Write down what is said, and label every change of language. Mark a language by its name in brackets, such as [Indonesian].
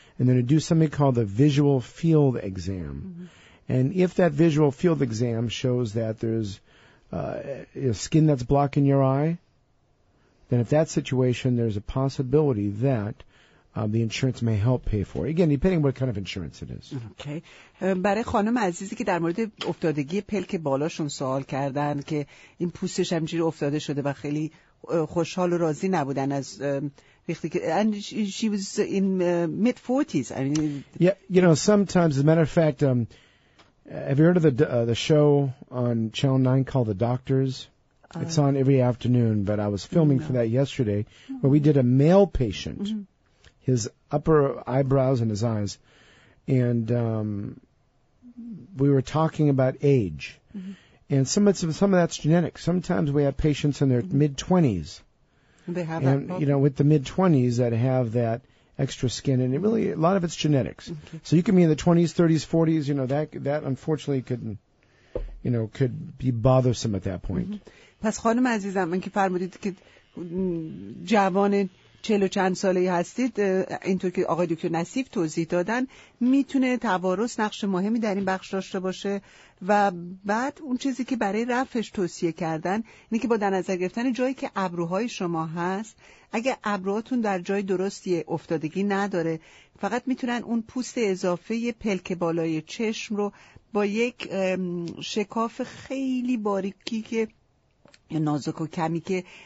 [English] And then to do something called the visual field exam. Mm-hmm. And if that visual field exam shows that there's skin that's blocking your eye, then if that situation, there's a possibility that the insurance may help pay for it. Again, depending what kind of insurance it is. Okay. [Persian] برای خانم عزیزی که در مورد افتادگی پلک بالاشون سوال کردن که این پوستش همجوری افتاده شده و خیلی خوشحال و راضی نبودن از وقتی که [English] and she was in mid 40s. I mean, yeah, you know, sometimes as a matter of fact, have you heard of the show on Channel 9 called The Doctors? It's on every afternoon, but I was filming for that yesterday, where we did a male patient, his upper eyebrows and his eyes, and we were talking about age. Mm-hmm. And some of that's genetic. Sometimes we have patients in their mid-20s. They have and, you know, with the mid-20s that have that extra skin, and it really, a lot of it's genetics. Okay. So you can be in the 20s, 30s, 40s, you know, that unfortunately could, you know, could be bothersome at that point. Mm-hmm. [Persian] پس خانم عزیزم من که فرمودید که جوان 40 چند ساله‌ای هستید اینطور که آقای دکتر نصیف توضیح دادن میتونه توارث نقش مهمی در این بخش داشته باشه و بعد اون چیزی که برای رفعش توصیه کردن اینه که با در نظر گرفتن جایی که ابروهای شما هست اگر ابروهاتون در جای درستی افتادگی نداره فقط میتونن اون پوست اضافه پلک بالای چشم رو با یک شکاف خیلی باریکی که یا نازک و کمی که